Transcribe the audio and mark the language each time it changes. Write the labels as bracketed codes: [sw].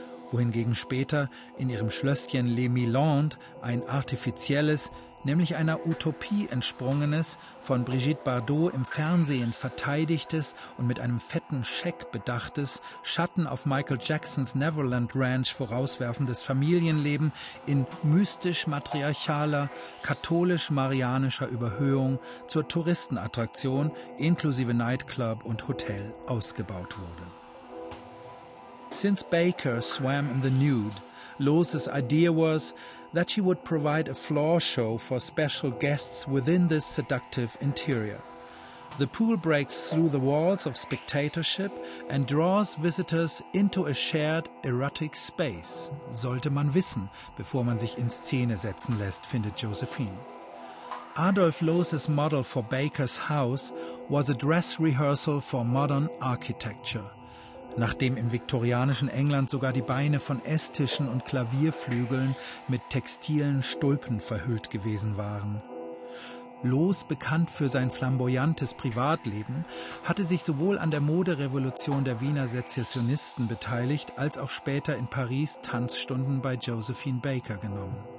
[de] Wohingegen später in ihrem Schlösschen Les Milandes ein artifizielles, nämlich einer Utopie entsprungenes, von Brigitte Bardot im Fernsehen verteidigtes und mit einem fetten Scheck bedachtes, Schatten auf Michael Jacksons Neverland Ranch vorauswerfendes Familienleben in mystisch-matriarchaler, katholisch-marianischer Überhöhung zur Touristenattraktion inklusive Nightclub und Hotel ausgebaut wurde. [en] Since Baker swam in the nude, Loos's idea was that she would provide a floor show for special guests within this seductive interior. The pool breaks through the walls of spectatorship and draws visitors into a shared erotic space. [de] Sollte man wissen, bevor man sich in Szene setzen lässt, findet Josephine. [en] Adolf Loos's model for Baker's house was a dress rehearsal for modern architecture. [de] Nachdem im viktorianischen England sogar die Beine von Esstischen und Klavierflügeln mit textilen Stulpen verhüllt gewesen waren. Loos, bekannt für sein flamboyantes Privatleben, hatte sich sowohl an der Moderevolution der Wiener Sezessionisten beteiligt, als auch später in Paris Tanzstunden bei Josephine Baker genommen.